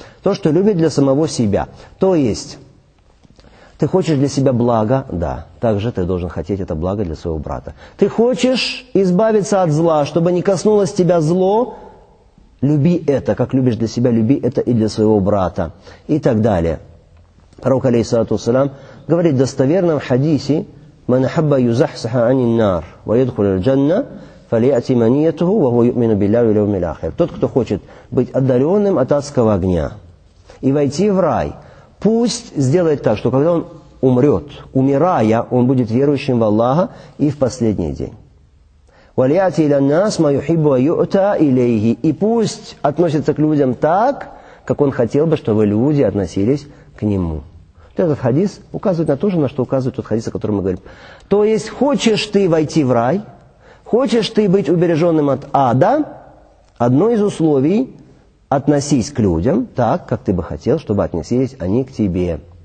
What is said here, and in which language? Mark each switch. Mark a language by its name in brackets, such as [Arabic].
[Russian] То, что любит для самого себя. То есть, ты хочешь для себя блага, да, также ты должен хотеть это благо для своего брата. Ты хочешь избавиться от зла, чтобы не коснулось тебя зло, люби это, как любишь для себя, люби это и для своего брата. И так далее. Пророк, алейхиссалату вассалям, говорит в достоверном хадисе, [Arabic] من أحب يزحزح عن النار ويدخل الجنة فليأتي منيته وهو يؤمن بالله واليوم الآخر. [Russian] Тот, кто хочет быть отдаленным от адского огня и войти в рай, пусть сделает так, что когда он умрет, умирая, он будет верующим в Аллаха и в последний день. [Arabic] وليأتي إلى الناس ما يحب ويؤتى إليه. [Russian] И пусть относится к людям так, как он хотел бы, чтобы люди относились к нему. Этот хадис указывает на то же, на что указывает тот хадис, о котором мы говорим. То есть, хочешь ты войти в рай, хочешь ты быть убереженным от ада, одно из условий – относись к людям так, как ты бы хотел, чтобы относились они к тебе.